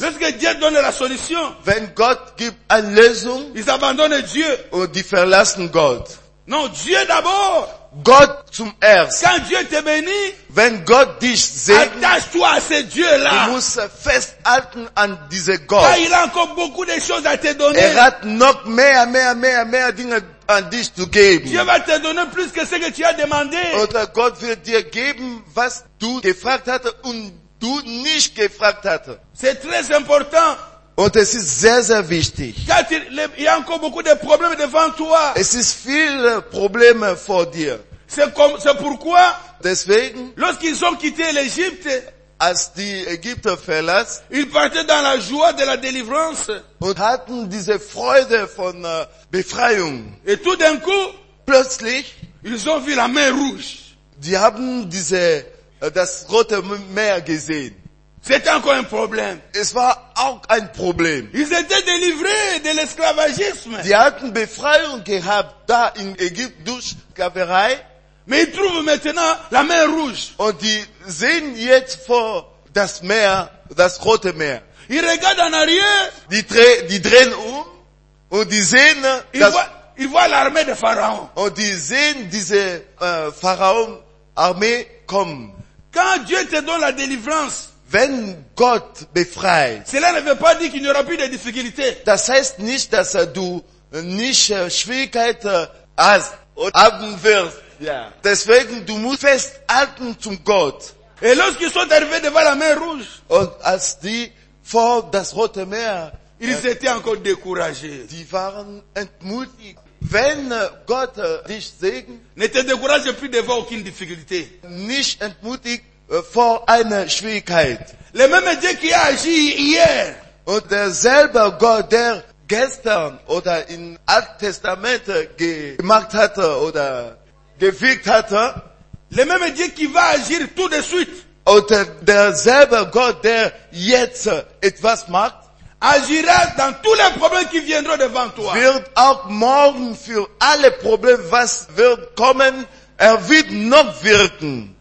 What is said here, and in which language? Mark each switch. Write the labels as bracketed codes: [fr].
[fr] Lorsque Dieu donne la solution, [de] wenn Gott gibt eine Lösung, [fr] ils abandonnent Dieu, [de] und die verlassen Gott. [fr] Non, Dieu d'abord. [de] Gott zum Erst. [fr] Quand Dieu te bénit, [de] wenn Gott dich segnet, [fr] attache-toi à ce Dieu-là. [de] Du musst festhalten an diesem Gott. [fr] Car il a encore beaucoup de choses à te donner. [de] Er hat noch mehr Dinge an dich zu geben. [fr] Dieu va te donner plus que ce que tu as demandé. [de] Und Gott wird dir geben, was du gefragt hast und du nicht gefragt hast. [fr] C'est très important. [de] Und es ist sehr, sehr wichtig. [fr] Il y a encore beaucoup de problèmes devant toi. [de] Es ist viel Probleme vor dir. [fr] C'est pourquoi? [de] Deswegen. [fr] Lorsqu'ils ont quitté l'Égypte. [de] Als die Ägypter verlassen. [fr] Ils partaient dans la joie de la délivrance. [de] Und hatten diese Freude von Befreiung. [fr] Et tout d'un coup. [de] Plötzlich. [fr] Ils ont vu la mer rouge. [de] Die haben das rote Meer gesehen. [fr] C'était encore un problème. [de] Es war auch ein Problem. [fr] Ils étaient délivrés de l'esclavagisme. [de] Die hatten Befreiung gehabt da in Ägypten durch Sklaverei. [fr] Mais ils trouvent maintenant la mer rouge. [de] Und die sehen jetzt vor das Meer, das rote Meer. [fr] Ils regardent en arrière. [de] Die drehen um und die sehen [fr] ils voient l'armée de Pharaon. [de] Und die sehen diese Pharaon Armee kommen. [fr] Quand Dieu te donne la délivrance. [de] Wenn Gott befreit, [fr] cela ne veut pas dire qu'il n'y aura plus de difficultés. [de] Das heißt nicht, dass du nicht Schwierigkeiten hast oder haben wirst. Yeah. Deswegen, du musst festhalten zum Gott. [fr] Et lorsqu'ils sont arrivés devant la mer rouge, [de] und als die vor das Rote Meer, [fr] ils étaient encore découragés. [de] Die waren entmutigt. Wenn Gott dich segnet, [fr] ne te décourage plus devant aucune difficulté. [de] Nicht entmutigt. Vor einer Schwierigkeit. [fr] Le même Dieu qui a agi hier. [de] Und derselbe Gott, der gestern oder im Alten Testament gemacht hatte oder gewirkt hatte. [fr] Le même Dieu qui va agir tout de suite. [de] Und derselbe Gott, der jetzt etwas macht. [fr] Agira dans tous les problèmes qui viendront devant toi. [de] Wird auch morgen für alle Probleme, was wird kommen, wird noch wirken.